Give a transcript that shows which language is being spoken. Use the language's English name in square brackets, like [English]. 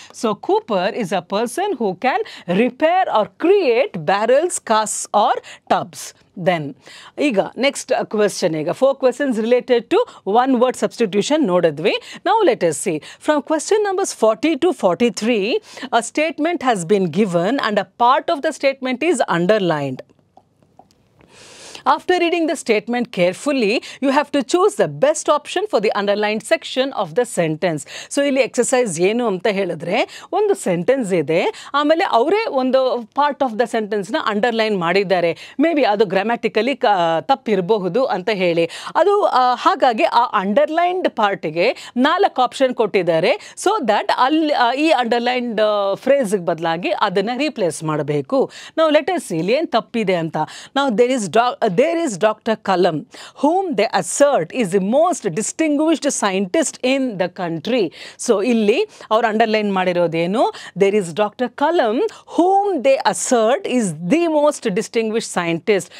[English] So cooper is a person who can repair or create barrels, casks or tubs. [Kannada] Then ಈಗ next question, ಈಗ four questions related to one word substitution ನೋಡಿದ್ವಿ. [English] ನಾವು let us see from question numbers 40 to 43, a statement has been given and a part of the statement is underlined. After reading the statement carefully, you have to choose the best option for the underlined section of the sentence. [Kannada] So, ಇಲ್ಲಿ exercise ಏನು ಅಂತ ಹೇಳಿದ್ರೆ, ಒಂದು sentence ಇದೆ, ಆಮೇಲೆ ಅವರೇ ಒಂದು part of the ಸೆಂಟೆನ್ಸ್ನ underline ಮಾಡಿದ್ದಾರೆ, ಮೇ ಬಿ ಅದು ಗ್ರಾಮ್ಯಾಟಿಕಲಿ ತಪ್ಪಿರಬಹುದು ಅಂತ ಹೇಳಿ, ಅದು ಹಾಗಾಗಿ ಆ ಅಂಡರ್ಲೈನ್ಡ್ ಪಾರ್ಟಿಗೆ ನಾಲ್ಕು ಆಪ್ಷನ್ ಕೊಟ್ಟಿದ್ದಾರೆ. ಸೊ ದಟ್ ಅಲ್ಲಿ ಈ ಅಂಡರ್ಲೈನ್ಡ್ ಫ್ರೇಸ್ಗೆ ಬದಲಾಗಿ ಅದನ್ನು ರೀಪ್ಲೇಸ್ ಮಾಡಬೇಕು. ನಾವು ಲೆಟರ್ಸ್ ಇಲ್ಲಿ ಏನು ತಪ್ಪಿದೆ ಅಂತ, ನಾವು there is [English] there is Dr. Kalam, whom they assert is the most distinguished scientist in the country. [Kannada] So illi avaru underline madirodenu, [English] there is Dr. Kalam, whom they assert is the most distinguished scientist.